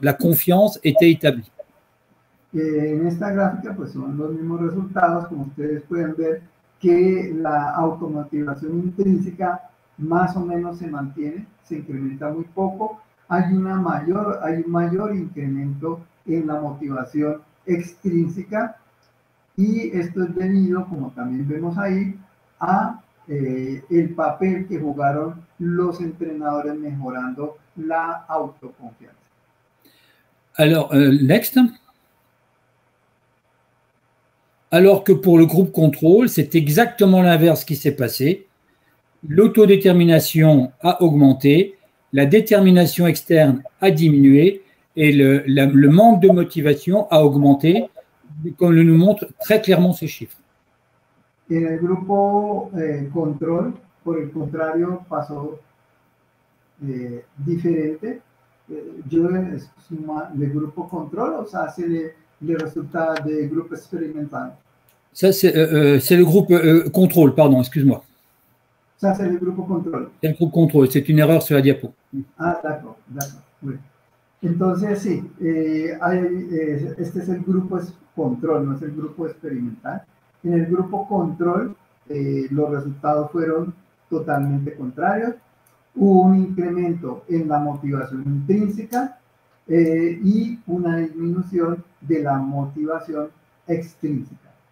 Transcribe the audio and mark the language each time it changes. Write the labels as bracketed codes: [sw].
[fr] La confiance était établie. [es] En esta gráfica, pues, son los mismos resultados, como ustedes pueden ver, que la automotivación intrínseca más o menos se mantiene, se incrementa muy poco, hay un mayor incremento en la motivación extrínseca y esto es debido, como también vemos ahí, a el papel que jugaron los entrenadores mejorando la autoconfianza. [fr] Alors, next. Alors que pour le groupe contrôle, c'est exactement l'inverse qui s'est passé. L'autodétermination a augmenté, la détermination externe a diminué et le manque de motivation a augmenté, comme le nous montre très clairement ces chiffres. [es] En el grupo control, por el contrario, pasó diferente. Yo suma le grupo control, o sea, [fr] c'est [es] le resultado del grupo experimental. [fr] Ça, c'est le groupe contrôle, pardon, excuse-moi. Ça, c'est le groupe contrôle. C'est le groupe contrôle, c'est une erreur sur la diapo. Ah, d'accord, d'accord. Oui. [es] Entonces, sí, este es el grupo control, no es el grupo experimental. En el grupo control, los resultados fueron totalmente contrarios. Hubo un incremento en la motivación intrínseca y una disminución de la motivación extrínseca.